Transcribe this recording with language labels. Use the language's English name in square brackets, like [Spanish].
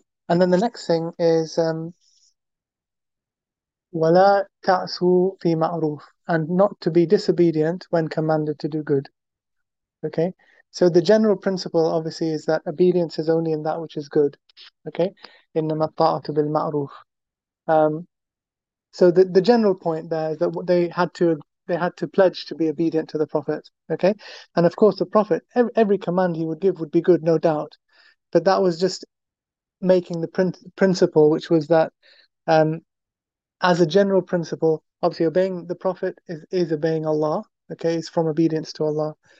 [English] And then the next thing is [Arabic] وَلَا تَعْصُوا فِي مَعْرُوفٍ, [English] and not to be disobedient when commanded to do good. Okay, so the general principle obviously is that obedience is only in that which is good. [Arabic] Okay, إِنَّمَا الطَّاعَةُ بِالْمَعْرُوفِ. [English] So the general point there is that they had to pledge to be obedient to the Prophet. Okay, and of course the Prophet, every command he would give would be good, no doubt, but that was just making the principle, which was that as a general principle, obviously obeying the Prophet is obeying Allah, okay, is from obedience to Allah.